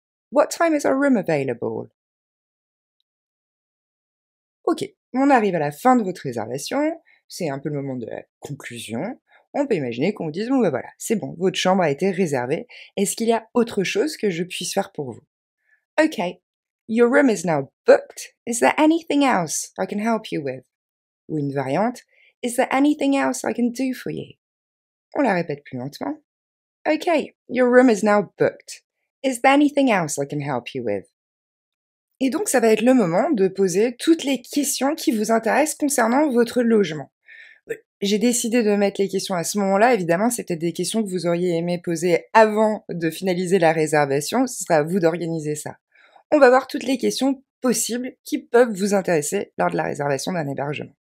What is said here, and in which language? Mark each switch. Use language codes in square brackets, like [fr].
[en] What time is our room available? [fr] Ok, on arrive à la fin de votre réservation. C'est un peu le moment de la conclusion. On peut imaginer qu'on vous dise, bon, ben voilà, c'est bon, votre chambre a été réservée. Est-ce qu'il y a autre chose que je puisse faire pour vous? [en] Ok, Your room is now booked. Is there anything else I can help you with? [fr] Ou une variante, [en] is there anything else I can do for you? [fr] On la répète plus lentement. [en] Okay, your room is now booked. Is there anything else I can help you with? [fr] Et donc, ça va être le moment de poser toutes les questions qui vous intéressent concernant votre logement. J'ai décidé de mettre les questions à ce moment-là. Évidemment, c'était des questions que vous auriez aimé poser avant de finaliser la réservation. Ce sera à vous d'organiser ça. On va voir toutes les questions possibles qui peuvent vous intéresser lors de la réservation d'un hébergement.